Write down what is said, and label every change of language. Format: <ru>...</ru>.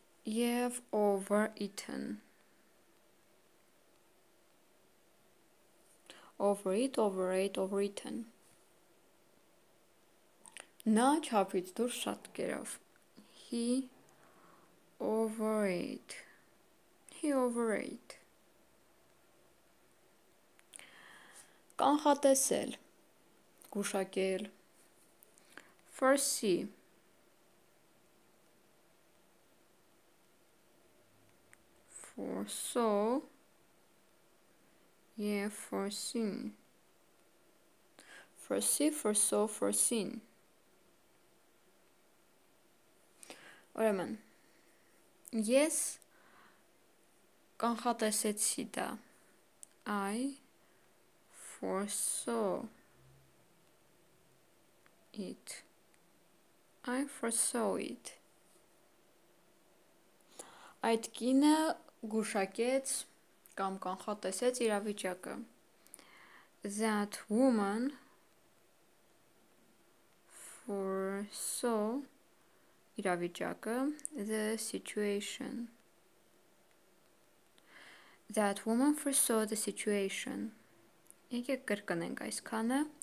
<hy>Եվ</hy> <en>overeaten. Overeat, overeat, overeaten.</en> <hy>Նա չափից դուրս շատ կերավ.</hy> <en>He overeat. He overeat.</en> <hy>Կանխատեսել, գուշակել.</hy> <en>Foresee. Foresaw. Yeah, foreseen. Foresee, foresaw, foreseen.</en> <hy>Ուրեմն, ես կանխատեսեցի դա.</hy> <en>I foresaw it. I foresaw it.</en> <hy>Այդ կինը գուշակեց կամ կանխատեսեց իրավիճակը.</hy> <en>That woman foresaw</en> <hy>իրավիճակը,</hy> <en>the situation. That woman foresaw the situation.</en> <hy>Եկեք կրկնենք այսքանը.</hy>